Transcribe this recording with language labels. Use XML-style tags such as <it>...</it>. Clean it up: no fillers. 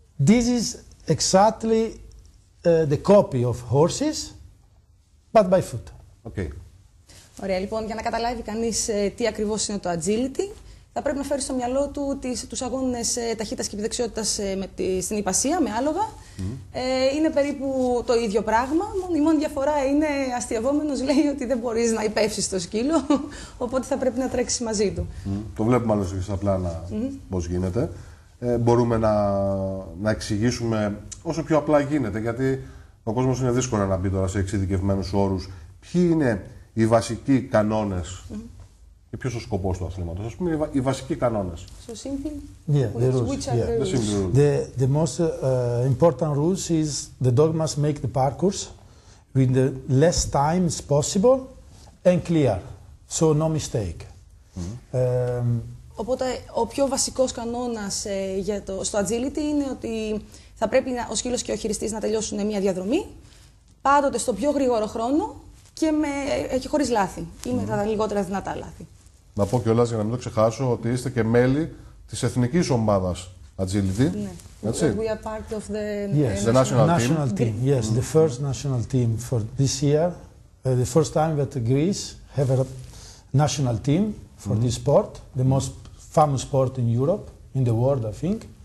<en>This is exactly the copy of horses, but by foot. Okay.</en> <el>Ωραία, λοιπόν, για να καταλάβει κανείς τι ακριβώς είναι το agility, θα πρέπει να φέρει στο μυαλό του τους αγώνες ταχύτητας και επιδεξιότητας στην υπασία, με άλογα. Mm. Είναι περίπου το ίδιο πράγμα. Η μόνη διαφορά είναι αστειευόμενος λέει ότι δεν μπορείς να υπεύσεις το σκύλο, οπότε θα πρέπει να τρέξεις μαζί του. Mm. Το βλέπουμε άλλως στα πλάνα πώς γίνεται. Μπορούμε να εξηγήσουμε όσο πιο απλά γίνεται, γιατί ο κόσμος είναι δύσκολο να μπει τώρα σε εξειδικευμένους όρους. Ποιοι είναι οι βασικοί κανόνες και ποιος ο σκοπός του αθλήματος, ας πούμε, οι βασικοί κανόνες.</el> <en>So simple. Yeah, the rules. Which are yeah. The rules. The most important rules is the dog must make the parkour with the less time possible and clear, so no mistake. Mm-hmm.</en> <el>Οπότε ο πιο βασικός κανόνας στο agility είναι ότι θα πρέπει ο σκύλος και ο χειριστής να τελειώσουν μια διαδρομή πάντοτε στο πιο γρήγορο χρόνο και χωρίς λάθη ή με τα λιγότερα δυνατά λάθη. Να πω κιόλας για να μην το ξεχάσω ότι είστε και μέλη της εθνικής ομάδας agility. Ναι. Έτσι.</el> <en>We are part of the, yes, the national team. Yes, the first national team for this year. The first time that Greece have a national team for this sport, the most famous sport in Europe, in the world, I think.</en>